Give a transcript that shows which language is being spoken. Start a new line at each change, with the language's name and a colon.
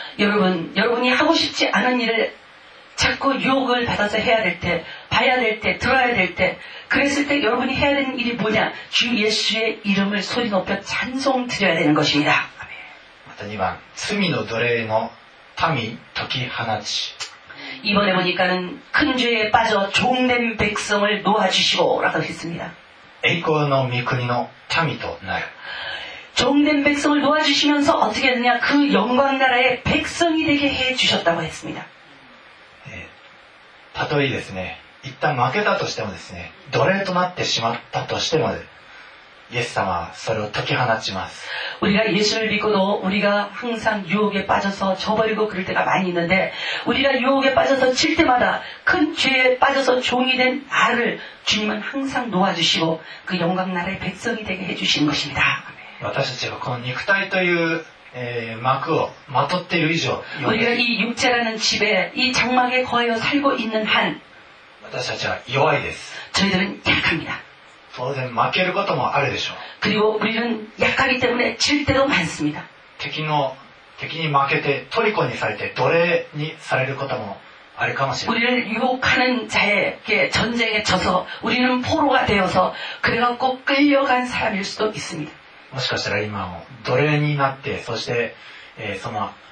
Korean: 여러분이하고싶지않은일을자꾸유혹을받아서해야될때봐야될때들어야될때그랬을때여러분이해야되는일이뭐냐주예수의이름을소리높여찬송드려야되는것입니다
Japanese: また2番罪の奴隷の民解き放ち
Korean: 이번에보니까는큰죄에빠져종된백성을놓아주시고라고했습니다
Japanese: 栄光の御国の民となる
Korean: 종된백성을놓아주시면서어떻게했느냐그영광나라의백성이되게해주셨다고했습니다
Japanese: たとえですね一旦負けたとしてもですね奴隷となってしまったとしてもイエス様はそれを解き放ちます
Korean: 우리가예수를믿고도우리가항상유혹에빠져서져버리고그럴때가많이있는데우리가유혹에빠져서질때마다큰죄에빠져서종이된나를주님은항상놓아주시고그영광나라의백성이되게해주신것입니다
Japanese: 私たちがこの肉体という幕をまとっている以上
Korean: 우리가이육체라는집에이장막에거하여살고있는한
Japanese: 私たちは弱いです
Korean: 저희들은약합니다
Japanese: 当然負けることもあるでしょう
Korean: 그리고우리는약하기때문에질때도많습니다
Japanese: 敵に負けてトリコにされて奴隷にされることもあるかもしれない
Korean: 우리를유혹하는자에게전쟁에져서우리는포로가되어서그래갖고끌려간사람일수도있습니다
Japanese: もしかしたら今も奴隷になってそして、その